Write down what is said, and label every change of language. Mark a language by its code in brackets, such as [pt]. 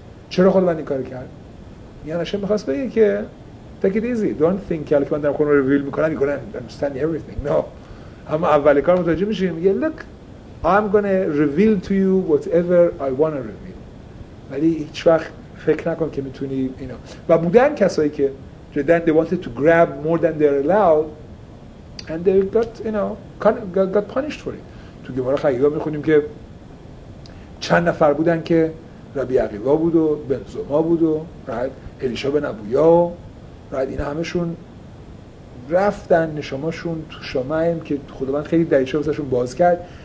[fa] چرا خداوند این کارو کرد؟ میگن هاشم میخواست بگه که [en] take it easy, don't think [fa] که من در خونه ریویل میکنن میکنن [en] understand everything. no. [fa] اما اول کار متوجه میشه، میگه [en] look I'm gonna reveal to you whatever I wanna reveal. [fa] ولی هیچ وقت فکر نکن که میتونی اینا. و بودن کسایی که [en] then they wanted to grab more than they're allowed and they got got punished for it. [fa] تو گمارا خیلی ها میخونیم که چند نفر بودن که ربی عقیبا بود و بنزما بود و الیشا بن ابویا و اینا همشون رفتن نشماشون تو شمعیم که خداوند خیلی دریچه واسهشون باز کرد.